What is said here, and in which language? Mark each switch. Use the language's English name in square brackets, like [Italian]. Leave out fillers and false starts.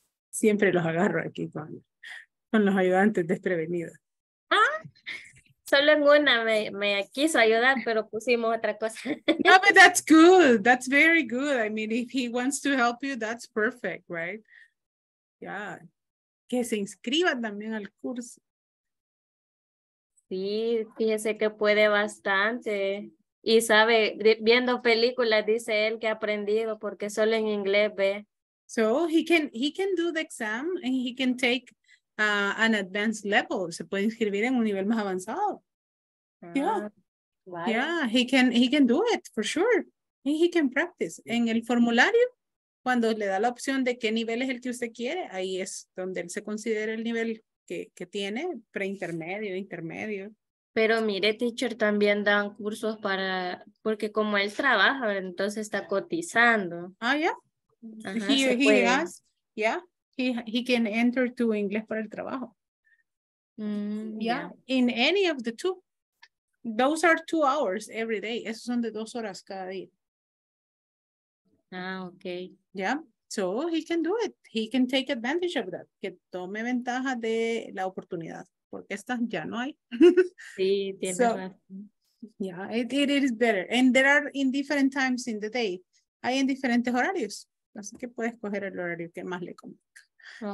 [Spanish] Siempre los agarro aquí con los ayudantes desprevenidos. ¿Ah? Solo en una me quiso ayudar, pero pusimos otra cosa. [English] No, but that's good. That's very good. I mean, if he wants to help you, that's perfect, right? [Spanish] Yeah. Que se inscriba también al curso. Sí, fíjese que puede bastante. Y sabe, viendo películas, dice él que ha aprendido porque solo en inglés ve. [English] So he can do the exam and he can take an advanced level. [Spanish] Se puede inscribir en un nivel más avanzado. [English] Yeah. Vale. Yeah, he can do it for sure. And he can practice. [Spanish] En el formulario, cuando le da la opción de qué nivel es el que usted quiere, ahí es donde él se considera el nivel que tiene, preintermedio, intermedio. Pero mire, teacher, también dan cursos para, porque como él trabaja, entonces está cotizando. [English] Ah, yeah. Ajá, he has, yeah. He can enter to English for [Spanish] el trabajo. [English] Yeah, in any of the two. Those are 2 hours every day. [Spanish] Esos son de 2 horas cada día. [English] Ah, okay. Yeah, so he can do it. He can take advantage of that. [Spanish] Que tome ventaja de la oportunidad. Porque esta ya no hay. Sí, tiene so, razón. [English] Yeah, it is better. And there are in different times in the day. [Spanish] Hay en diferentes horarios. Así que puedes coger el horario que más le convenga.